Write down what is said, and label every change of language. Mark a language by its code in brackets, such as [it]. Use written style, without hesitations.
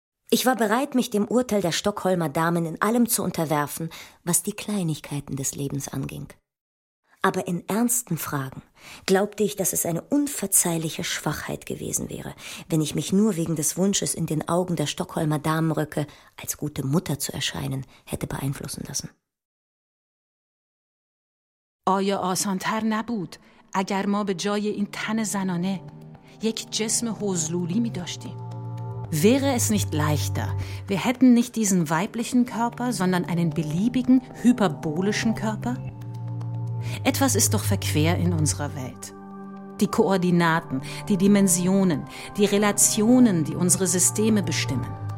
[de] Ich war bereit, mich dem Urteil der Stockholmer Damen in allem zu unterwerfen, was die Kleinigkeiten des Lebens anging. Aber in ernsten Fragen glaubte ich, dass es eine unverzeihliche Schwachheit gewesen wäre, wenn ich mich nur wegen des Wunsches, in den Augen der Stockholmer Damenröcke als gute Mutter zu erscheinen, hätte beeinflussen lassen. [fa] آیا آسان‌تر نبود اگر ما به جای این تن زنانه یک جسم حضلولی می داشتیم؟ [de] Wäre es nicht leichter, wir hätten nicht diesen weiblichen Körper, sondern einen beliebigen, hyperbolischen Körper? Etwas ist doch verquer in unserer Welt. Die Koordinaten, die Dimensionen, die Relationen, die unsere Systeme bestimmen.